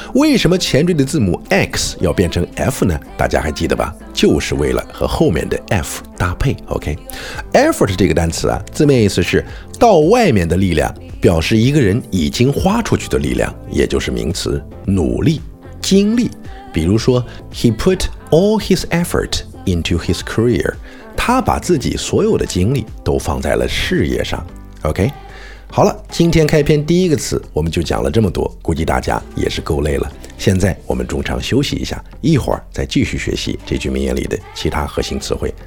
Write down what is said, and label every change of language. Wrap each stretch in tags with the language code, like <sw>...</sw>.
<zh>为什么前缀的字母 X 要变成 F 呢？大家还记得吧？就是为了和后面的 F 搭配。OK， effort 这个单词啊，字面意思是到外面的力量，表示一个人已经花出去的力量，也就是名词努力、精力。</zh> <en>比如说 ，He put all his effort into his career。</en> <zh>他把自己所有的精力都放在了事业上。 OK， 好了，今天开篇第一个词我们就讲了这么多，估计大家也是够累了，现在我们中场休息一下，一会儿再继续学习这句名言里的其他核心词汇。</zh>